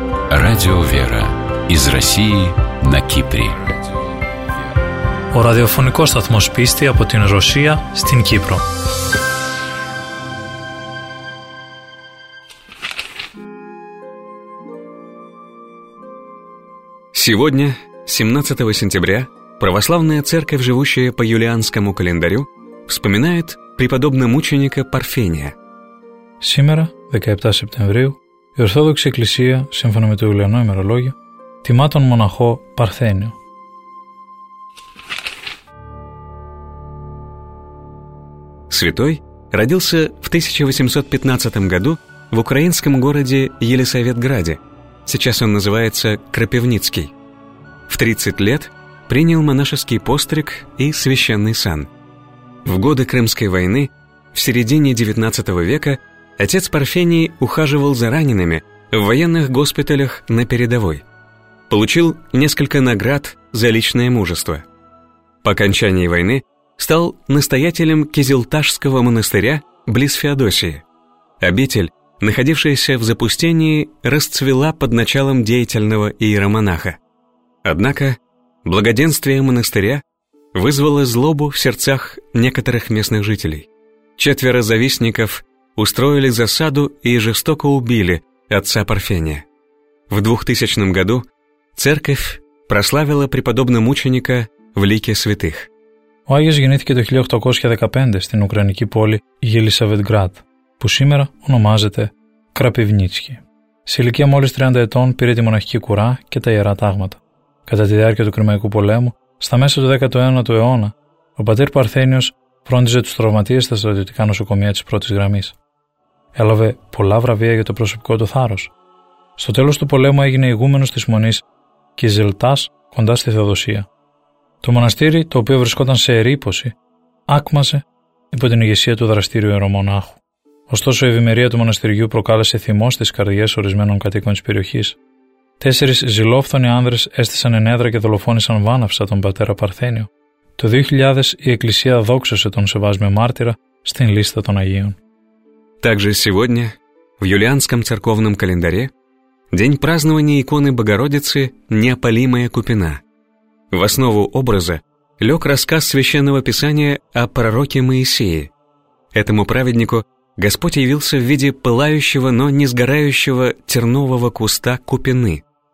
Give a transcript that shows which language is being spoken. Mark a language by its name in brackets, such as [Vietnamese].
[Russian] Радио «Вера» из России на Кипре. [Greek] Ο ραδιοφωνικός σταθμός πίστη από την Ρωσία στην Κύπρο. [Russian] Сегодня, 17 сентября, православная церковь, живущая по юлианскому календарю, вспоминает преподобного мученика Парфения. Сегодня, 17 сентября, [Greek] η Ορθόδοξη Εκκλησία, σύμφωνα με το Ιουλιανό ημερολόγιο, τιμά τον μοναχό Παρθένιο. [Russian] Святой родился в 1815 году в украинском городе Елисаветграде. Сейчас он называется Кропивницкий. В 30 лет принял монашеский постриг и священный сан. В годы Крымской войны, в середине 19 века, отец Парфений ухаживал за ранеными в военных госпиталях на передовой. Получил несколько наград за личное мужество. По окончании войны стал настоятелем Кизилташского монастыря близ Феодосии. Обитель, находившаяся в запустении, расцвела под началом деятельного иеромонаха. Однако благоденствие монастыря вызвало злобу в сердцах некоторых местных жителей. Четверо завистников устроили засаду и жестоко убили отца Парфения. В 2000 году церковь прославила преподобного мученика в лике святых. [Greek] Ο Άγιος γεννήθηκε το 1815 στην ουκρανική πόλη Γελισαβετγκράτ, που σήμερα ονομάζεται Κραπιβνίτσκι. Σε ηλικία μόλις 30 ετών πήρε τη μοναχική κουρά και τα ιερά τάγματα. Κατά τη διάρκεια του Κρυμαϊκού πολέμου, στα μέσα του 19ου αιώνα, ο πατήρ Παρθένιος φρόντιζε τους τραυματίες στα στρατιωτικά νοσοκομεία της πρώτης γραμμής. Έλαβε πολλά βραβεία για το προσωπικό του θάρρος. Στο τέλος του πολέμου έγινε ηγούμενος της μονής Κιζιλτάς κοντά στη Θεοδοσία. Το μοναστήρι, το οποίο βρισκόταν σε ερήπωση, άκμαζε υπό την ηγεσία του δραστήριου ιερομονάχου. Ωστόσο, η ευημερία του μοναστηριού προκάλεσε θυμό στις καρδιές ορισμένων κατοίκων της περιοχής. Τέσσερις ζηλόφθονοι άνδρες έστησαν ενέδρα και δολοφόνησαν βάναυσα τον πατέρα Παρθένιο. Το 2000 η Εκκλησία δόξασε τον Σεβάσμιο Μάρτυρα στην Λίστα των Αγίων. [Russian] Также сегодня, в юлианском церковном календаре, день празднования иконы Богородицы «Неопалимая Купина». В основу образа лег рассказ Священного Писания о пророке Моисее. Этому праведнику Господь явился в виде пылающего, но не сгорающего тернового куста купины.